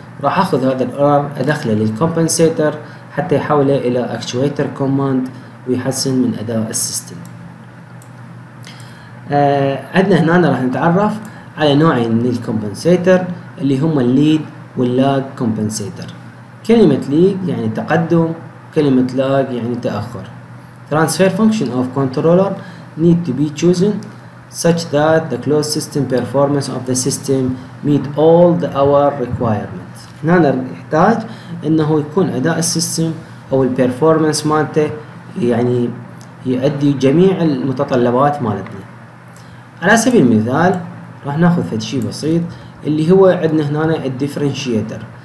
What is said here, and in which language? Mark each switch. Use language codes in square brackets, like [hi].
[ar] راح اخذ هذا الايرور ادخله للكومبنسيتر حتى يحوله الى اكتويتر كوماند ويحسن من اداء السيستم. عندنا هنا راح نتعرف على نوعين من الكومبنسيتر اللي هم الليد واللاج كومبنسيتر. كلمة ليد يعني تقدم، كلمة لاج يعني تأخر. [en] Transfer function of controller need to be chosen such that the closed system performance of the system meet all the hour requirements. [ar] هنا نحتاج انه يكون اداء السيستم او البرفورمانس مالته يعني يؤدي جميع المتطلبات مالتنا. على سبيل المثال راح ناخذ فد شيء بسيط اللي هو عندنا هنا الديفرنشيتر.